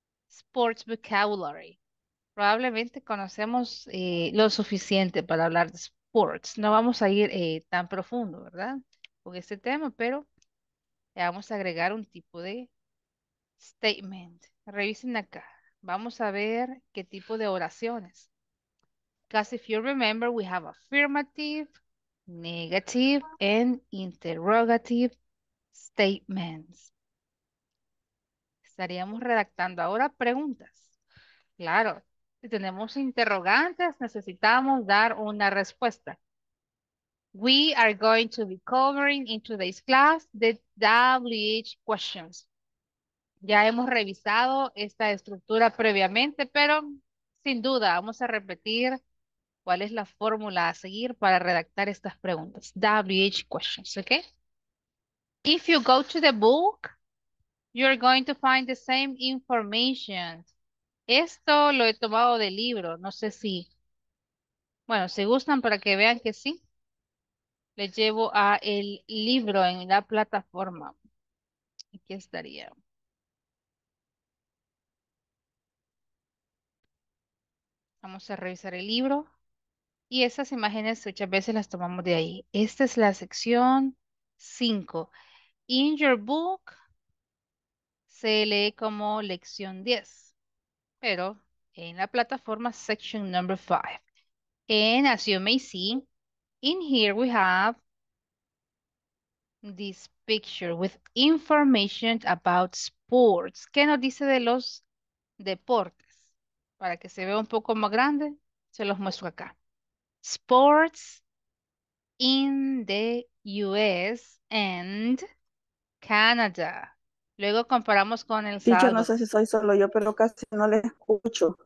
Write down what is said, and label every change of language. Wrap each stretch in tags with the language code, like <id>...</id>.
<en>Sports vocabulary.</en> <es>Probablemente conocemos lo suficiente para hablar de sports. No vamos a ir tan profundo, ¿verdad? Con este tema, pero le vamos a agregar un tipo de statement. Revisen acá. Vamos a ver qué tipo de oraciones.</es> <en>Because if you remember, we have affirmative, negative, and interrogative statements.</en> <es>Estaríamos redactando ahora preguntas. Claro, si tenemos interrogantes, necesitamos dar una respuesta.</es> <en>We are going to be covering in today's class the WH questions.</en> <es>Ya hemos revisado esta estructura previamente, pero sin duda vamos a repetir ¿Cuál es la fórmula a seguir para redactar estas preguntas?</es> <en>WH questions, ¿ok? If you go to the book, you're going to find the same information.</en> <es>Esto lo he tomado del libro, no sé si... Bueno, si gustan para que vean que sí, les llevo a el libro en la plataforma. Aquí estaría. Vamos a revisar el libro. Y esas imágenes muchas veces las tomamos de ahí. Esta es la sección 5.</es> <en>In your book</en> <es>se lee como lección 10. Pero en la plataforma,</es> <en>section number 5. And as you may see, in here we have this picture with information about sports.</en> <es>¿Qué nos dice de los deportes? Para que se vea un poco más grande, se los muestro acá.</es> <en>Sports in the US and Canada.</en> <es>Luego comparamos con el Teacher, sábado. No sé si soy solo yo, pero casi no le escucho.</es>